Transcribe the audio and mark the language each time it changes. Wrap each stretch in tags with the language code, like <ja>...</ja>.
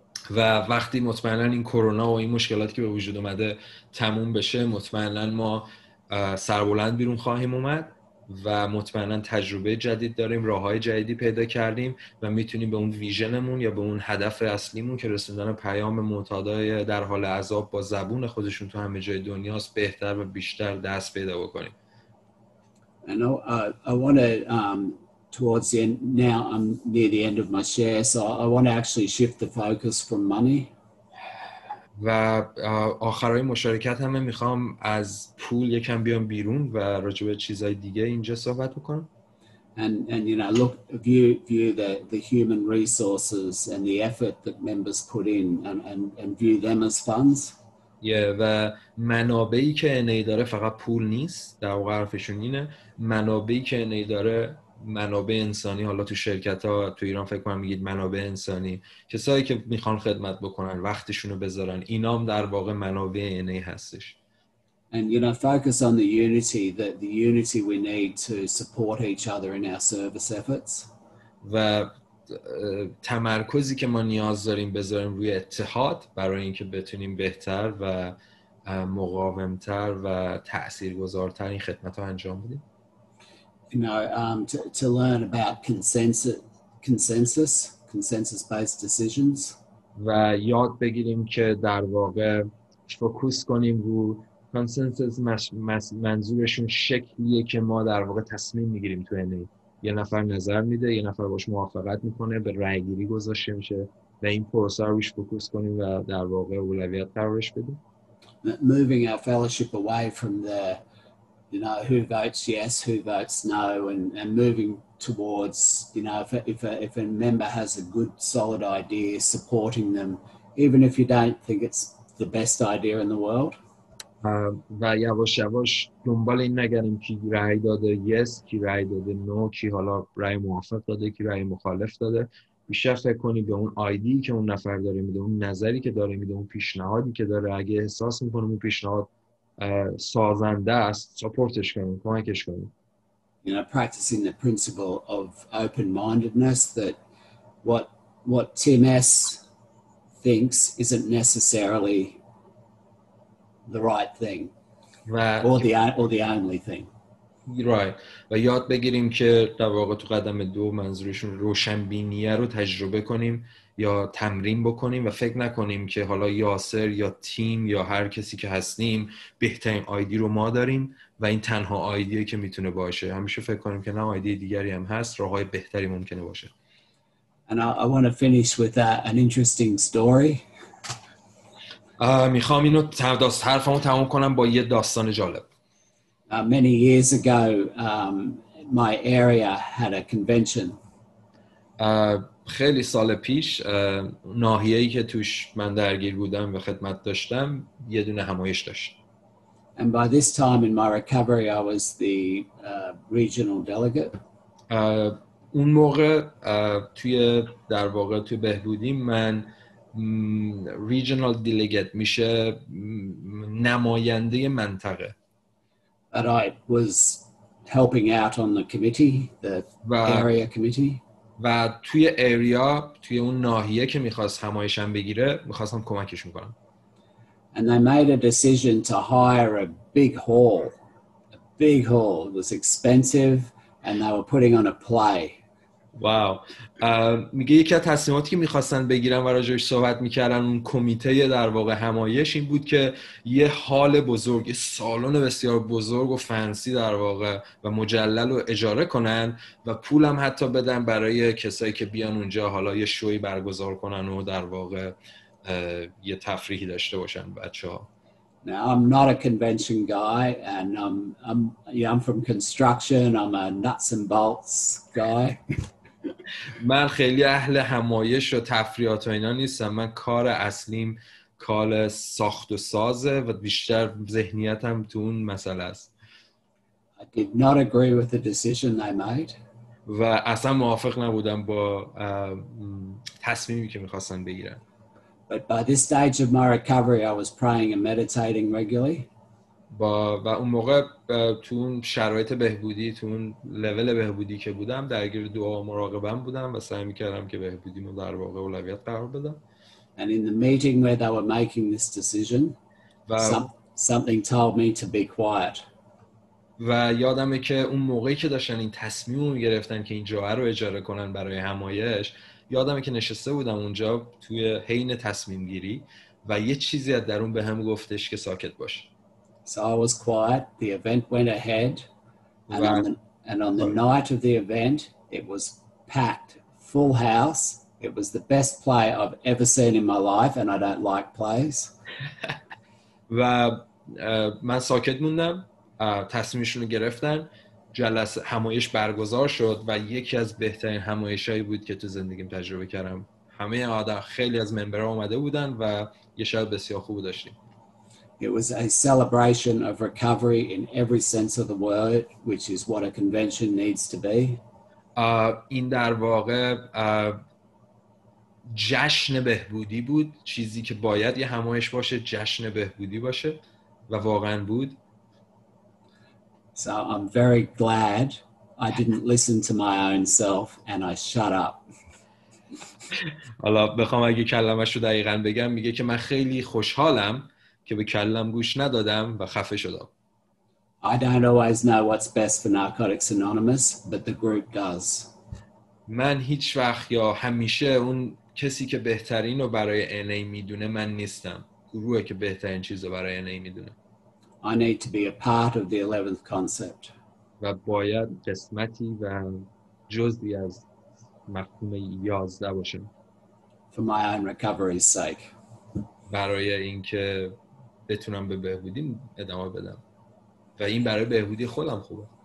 <fa>و وقتی مطمئناً این کرونا و این مشکلاتی که به وجود اومده تموم بشه، مطمئناً ما سربلند بیرون خواهیم اومد و مطمئناً تجربه جدید داریم، راه‌های جدیدی پیدا کردیم و میتونیم به اون ویژنمون یا به اون هدف اصلیمون که رسوندن پیام معتادای در حال عذاب با زبون خودشون تو همه جای دنیاست بهتر و بیشتر دست پیدا بکنیم.</fa> <en>And I want to towards the end, now I'm near the end of my share, so I want to actually shift the focus from money.</en> <fa>و آخرای مشارکت همه میخوام از پول یکم بیام بیرون و راجع به چیزهای دیگه اینجا صحبت بکنم.</fa> <en>And you know, look, view the human resources and the effort that members put in and view them as funds.</en> <fa>Yeah, و منابعی که NA داره فقط پول نیست، در واقع حرفشون اینه، منابعی که NA داره منابع انسانی، حالا تو شرکت ها تو ایران فکر کنم میگید منابع انسانی، کسایی که میخوان خدمت بکنن وقتشون رو بذارن، اینام در واقع منابع NA هستش.</fa> <en>And you know, focus on the unity, that the unity we need to support each other in our service efforts.</en> <fa>و تمرکزی که ما نیاز داریم بذاریم روی اتحاد برای اینکه بتونیم بهتر و مقاومتر و تاثیرگذارتر این خدمت ها انجام بدیم.</fa> <en>You know, to learn about consensus based decisions.</en> <fa>و یاد بگیریم که در واقع فوکوس کنیم رو consensus، منظورشون شکلیه که ما در واقع تصمیم میگیریم تو NA. یه نفر نظر میده، یه نفر باش موافقت میکنه، به رأی گیری گذاشته میشه و این پروسه رو بیش فوکوس کنیم و در واقع اولویت قرارش بدیم.</fa> <en>Moving our fellowship away from the you know, who votes yes, who votes no, and moving towards, you know, if a member has a good, solid idea, supporting them, even if you don't think it's the best idea in the world.</en> <fa>و یواش یواش دنبال این نگریم که رأی داده</fa> <en>yes،</en> <fa>کی رأی داده</fa> <en>no،</en> <fa>کی حالا رأی موافق داده، کی رأی مخالف داده. بیشتر فکر کنی به اون ایده‌ای که اون نفر داره میده، اون نظری که داره میده، اون پیشنهادی که داره، اگه احساس میکنم اون پیشنهاد سازنده است، سپورتش کنیم، کمکش کنیم.</fa> <en>You know, practicing the principle of open-mindedness, that what TMS thinks isn't necessarily the right thing,</en> <fa>و</fa> <en>or the only thing. Right.</en> <fa>و یاد بگیریم که در واقع تو قدم دو منظورشون روشنبینیه رو تجربه کنیم یا تمرین بکنیم و فکر نکنیم که حالا یاسر یا تیم یا هر کسی که هستیم بهترین آیدی رو ما داریم و این تنها آیدیه که میتونه باشه. همیشه فکر کنیم که نه، آیدی دیگری هم هست، راه‌های بهتری ممکنه باشه.</fa> <en>And I want to finish with an interesting story.</en> <fa>میخوام اینو حرفمو تموم کنم با یه داستان جالب.</fa> <en>Many years ago, my area had a convention.</en> <fa>خیلی سال پیش ناحیه‌ای که توش من درگیر بودم و خدمت داشتم یه دونه همایش داشت.</fa> <en>And by this time in my recovery, I was the regional delegate.</en> <fa>اون موقع توی در واقع توی بهبودی من</fa> <en>regional delegate</en> <fa>میشه نماینده منطقه.</fa> <en>And I was helping out on the committee, the area committee.</en> <fa>و توی ایریا، توی اون ناحیه که میخواست همایشم بگیره، میخواستم کمکش میکنم.</fa> <en>And they made a decision to hire a big hall. A big hall. It was expensive and they were putting on a play. Wow.</en> <fa>میگه یکی از تصمیماتی که میخواستن بگیرن و راجعش صحبت میکردن اون کمیته در واقع همایش این بود که یه هال بزرگ، یه سالن بسیار بزرگ و فنسی در واقع و مجلل رو اجاره کنن و پولم حتی بدن برای کسایی که بیان اونجا حالا یه شوی برگزار کنن و در واقع یه تفریحی داشته باشن بچه‌ها.</fa> <en>Now, I'm not a convention guy, and I'm from construction. I'm a nuts and bolts guy.</en> <fa>من خیلی اهل همایش و تفریحات و اینا نیستم. من کار اصلیم کار ساخت و سازه و بیشتر ذهنیتم تو اون مسئله است.</fa> <en>I did not agree with the decision they made.</en> <fa>و اصلا موافق نبودم با تصمیمی که می‌خواستن بگیرن.</fa> <en>But by this stage of my recovery, I was praying and meditating regularly.</en> <fa>با و اون موقع تو اون شرایط بهبودی، تو اون لول بهبودی که بودم، درگیر دعا و مراقبه‌ام بودم و سعی می‌کردم که بهبودیمو در واقع اولویت قرار بدم.</fa> <en>And in the meeting where they were making this decision, something told me to be quiet.</en> <fa>و یادمه که اون موقعی که داشتن این تصمیم رو گرفتن که این جا رو اجاره کنن برای همایش، یادمه که نشسته بودم اونجا توی حین تصمیم گیری و یه چیزی از درون به هم گفتش که ساکت باش.</fa> <en>So I was quiet, the event went ahead, and on the night of the event, it was packed, full house. It was the best play I've ever seen in my life, and I don't like plays.</en> <fa>و من ساکت موندم، تصمیمشون رو گرفتن، جلسه همایش برگزار شد و یکی از بهترین همایشایی بود که تو زندگیم تجربه کردم. همه آدم، خیلی از ممبرها اومده بودن و یه شب بسیار خوب داشتیم.</fa> <en>It was a celebration of recovery in every sense of the word, which is what a convention needs to be.</en> <fa>این در واقع جشن بهبودی بود، چیزی که باید یه همایش باشه، جشن بهبودی باشه و واقعا بود.</fa> <en>So I'm very glad I didn't listen to my own self and I shut up.</en> <fa>حالا بخوام اگه کلمش رو دقیقاً بگم، میگه که من خیلی خوشحالم که به کلم گوش ندادم و خفه شدم.</fa> <en>I don't always know what's best for Narcotics Anonymous, but the group does.</en> <fa>من هیچ وقت یا همیشه اون کسی که بهترین رو برای NA میدونه من نیستم. گروهی که بهترین چیزو برای NA میدونه.</fa> <en>I need to be a part of the 11th concept.</en> <fa>و باید قسمتی و جزئی از مفهوم 11 باشم.</fa> <en>For my own recovery's sake.</en> <fa>برای اینکه بتونم به بهبودی ادامه بدم. و این برای بهبودی خودم خوبه.</fa>